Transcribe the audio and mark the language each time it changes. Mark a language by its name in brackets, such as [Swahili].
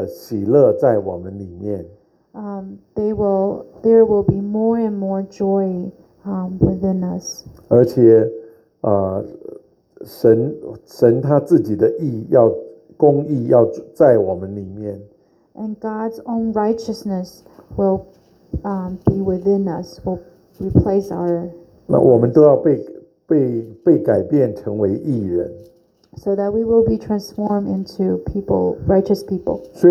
[Chinese] 会有越来越多的喜乐在我们里面, [English] there will be more and more joy within us. [Chinese] 而且, 神他自己的义要公义要在我们里面, [English] and God's own righteousness will be within us, will replace our. [Chinese] 那我们都要被改变成为义人, [English] so that we will be transformed into people, righteous people.